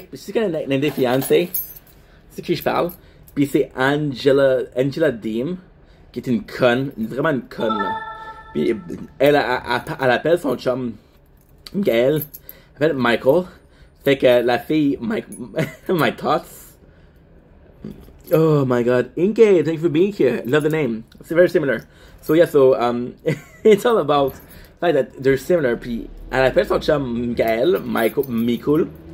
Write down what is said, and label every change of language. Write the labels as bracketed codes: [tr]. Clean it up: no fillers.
[fr] Puis c'est quand même des fiancées, c'est qui je parle. Puis c'est Angela Deem, qui est une conne, vraiment une conne, là. Puis elle appelle son chum Gaël, elle appelle Michael. Fait que la fille, [en] my thoughts. Oh my god, Inke, thank you for being here. Love the name. [fr] C'est [en] very similar. So yeah, so, it's all about the fact that they're similar. [fr] Puis elle appelle son chum Gaël, Michael, Mikul.